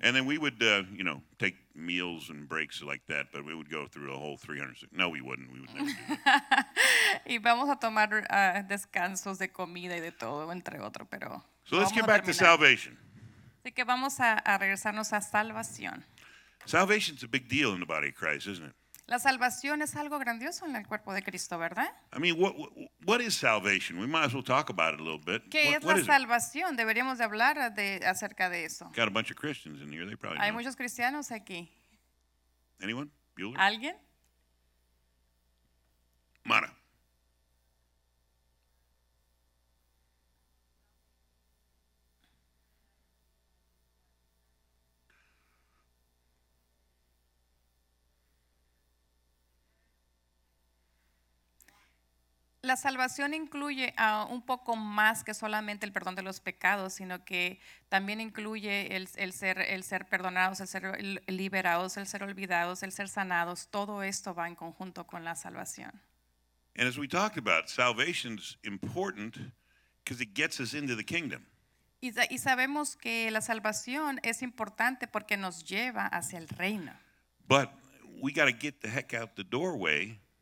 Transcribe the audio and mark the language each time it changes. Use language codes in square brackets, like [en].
[en] And then we would, you know, take meals and breaks like that, but we would go through a whole 300. No, we wouldn't. We would never do that. [es] Y vamos a tomar descansos de comida y de todo, entre otro, pero [en] so let's get back to salvation. [es] Así que vamos a regresarnos a salvación. [en] Salvation's a big deal in the body of Christ, isn't it? [es] La salvación es algo grandioso en el cuerpo de Cristo, ¿verdad? [en] I mean, what is salvation? We might as well talk about it a little bit. [es] ¿Qué es la salvación? Deberíamos de hablar acerca de eso. [en] Got a bunch of Christians in here. They probably [es] Hay muchos cristianos aquí. [en] Anyone? Bueller? [es] ¿Alguien? Mara. La salvación incluye un poco más que solamente el perdón de los pecados, sino que también incluye el ser perdonados, el ser liberados, el ser olvidados, el ser sanados. Todo esto va en conjunto con la salvación. [en] And as we talked about, salvation's important because it gets us into the kingdom. [es] Y sabemos que la salvación es importante porque nos lleva hacia el reino. [en] But we got to get the heck out the doorway.